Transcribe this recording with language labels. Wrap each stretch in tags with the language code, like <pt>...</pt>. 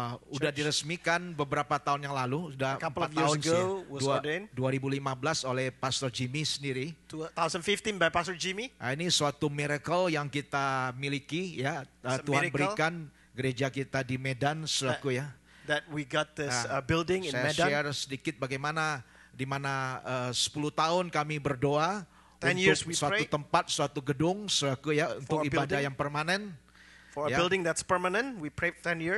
<id>Udah diresmikan beberapa tahun yang lalu, sudah 4 tahun</id> <en>ago,</en> <id>sih. 2015 oleh Pastor Jimmy sendiri.</id> <en>2015 by Pastor Jimmy.</en> <id>Ini suatu miracle yang kita miliki ya, Tuhan berikan gereja kita di Medan selaku ya.</id> <en>That we got this building in Medan.</en> <id>Saya share sedikit bagaimana di mana 10 tahun kami berdoa. Untuk suatu tempat, suatu gedung, suatu ya, untuk ibadah</id> <en>building,</en> <id>yang permanen.</id> <en>For a building that's permanent, we prayed 10 years.</en>